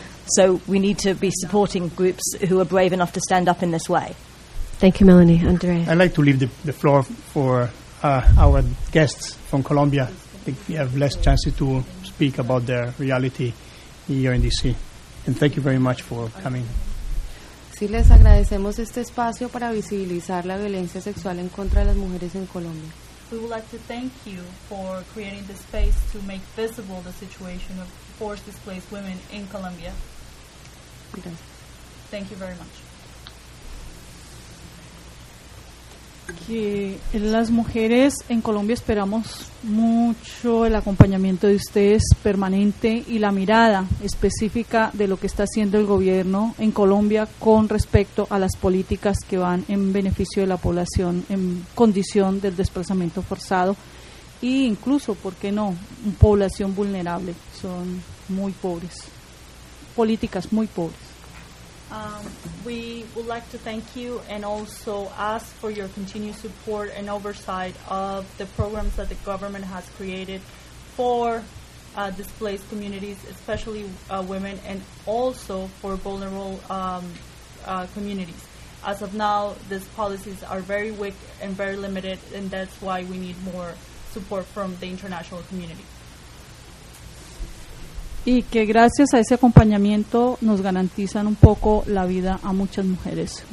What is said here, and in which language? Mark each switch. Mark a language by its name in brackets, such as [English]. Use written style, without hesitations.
[English] So we need to be supporting groups who are brave enough to stand up in this way. Thank you, Melanie. Andrea. I'd like to leave the floor for our guests from Colombia. I think we have less chances to speak about their reality here in D.C. And thank you very much for coming. [Spanish] Sí, les agradecemos este espacio para visibilizar la violencia sexual en contra de las mujeres en Colombia. [English] We would like to thank you for creating the space to make visible the situation of forced displaced women in Colombia. [Spanish] Gracias. [English] Thank you very much. [Spanish] Que las mujeres en Colombia esperamos mucho el acompañamiento de ustedes permanente y la mirada específica de lo que está haciendo el gobierno en Colombia con respecto a las políticas que van en beneficio de la población en condición del desplazamiento forzado e incluso, ¿por qué no?, población vulnerable, son muy pobres, políticas muy pobres. [English] We would like to thank you and also ask for your continued support and oversight of the programs that the government has created for displaced communities, especially women, and also for vulnerable communities. As of now, these policies are very weak and very limited, and that's why we need more support from the international community. [Spanish] Y que gracias a ese acompañamiento nos garantizan un poco la vida a muchas mujeres.